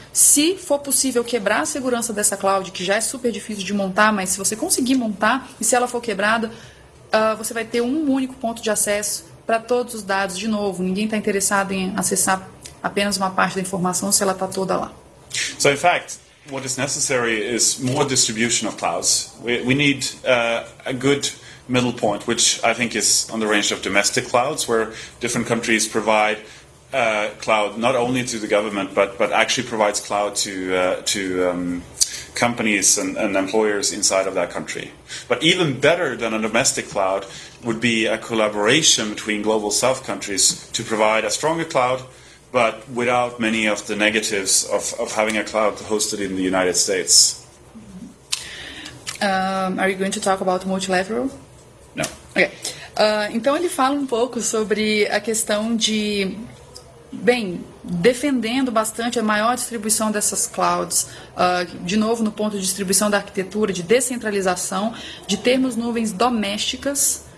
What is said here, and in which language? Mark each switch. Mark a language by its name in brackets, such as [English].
[Portuguese] Se for possível quebrar a segurança dessa cloud, que já é super difícil de montar, mas se você conseguir montar e se ela for quebrada, você vai ter um único ponto de acesso para todos os dados de novo. Ninguém está interessado em acessar apenas uma parte da informação se ela está toda lá. [English] So, in fact, what is necessary is more distribution of clouds. We need a good middle point, which I think is on the range of domestic clouds, where different countries provide cloud not only to the government, but actually provides cloud to companies and employers inside of that country. But even better than a domestic cloud would be a collaboration between global south countries to provide a stronger cloud, but without many of the negatives of having a cloud hosted in the United States. Are you going to talk about multilateral? [Portuguese] Não. Okay. Então ele fala um pouco sobre a questão de bem, defendendo bastante a maior distribuição dessas clouds, de novo no ponto de distribuição da arquitetura, de descentralização, de termos nuvens domésticas.